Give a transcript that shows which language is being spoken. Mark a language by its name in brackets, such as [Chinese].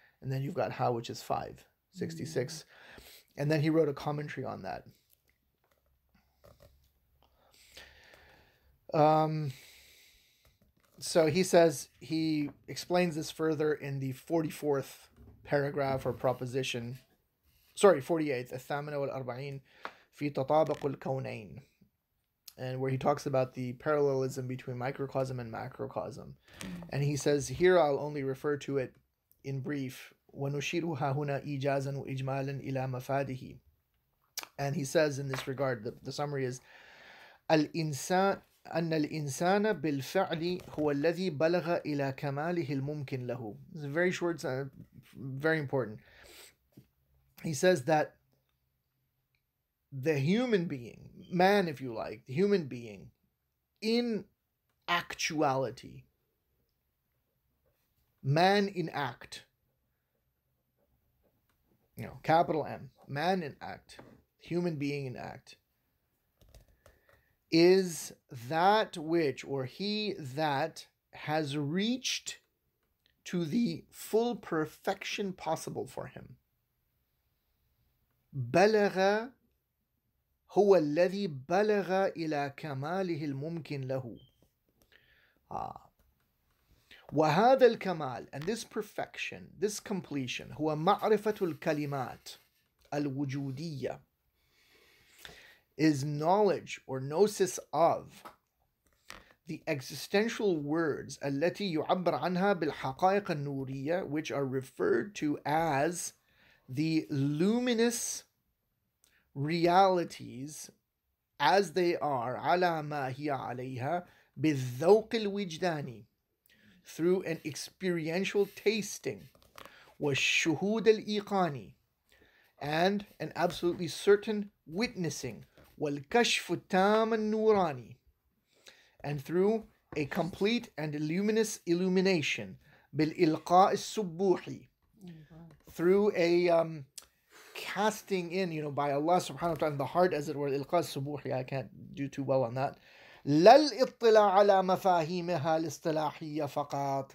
[English] And then you've got ha, which is 5. 66. And then he wrote a commentary on that. So he says, he explains this further in the 44th paragraph or proposition. Sorry, 48th. [Arabic] الثامنة والأربعين في تطابق الكونين. [English] And where he talks about the parallelism between microcosm and macrocosm. And he says, here I'll only refer to it in brief. [Arabic] وَنُشِيرُهَا هُنَا إِجَازًا وَإِجْمَالًا إِلَى مَفَادِهِ. [English] And he says in this regard, the summary is, [Arabic] أَنَّ الْإِنسَانَ بِالْفَعْلِ هُوَ الَّذِي بَلَغَ إِلَى كَمَالِهِ الْمُمْكِنْ لَهُ. [English] It's a very short, very important. He says that the human being, man if you like, the human being, in actuality, man in act, you know, capital M, man in act, human being in act, is that which, or he that, has reached to the full perfection possible for him. [Arabic] بلغ هو الذي بلغ إلى كماله الممكن له. وهذا الكمال, [English] and this perfection, this completion, [Arabic] هو معرفة الكلمات الوجودية, [English] is knowledge or gnosis of the existential words [Arabic] التي يعبر عنها بالحقائق النورية, [English] which are referred to as the luminous realities as they are, [Arabic] على ما هي عليها, بالذوق الوجداني, [English] through an experiential tasting, [Arabic] والشهود الإيقاني, [English] and an absolutely certain witnessing, [Arabic] والكشف التام النوراني, [English] and through a complete and luminous illumination, [Arabic] بالإلقاء السبوحي, [English] through a casting in, you know, by Allah subhanahu wa ta'ala in the heart, as it were, [Arabic] إلقاء السبوحي, [English] I can't do too well on that. [Arabic] للإطلاع على مفاهيمها الاصطلاحية فقط.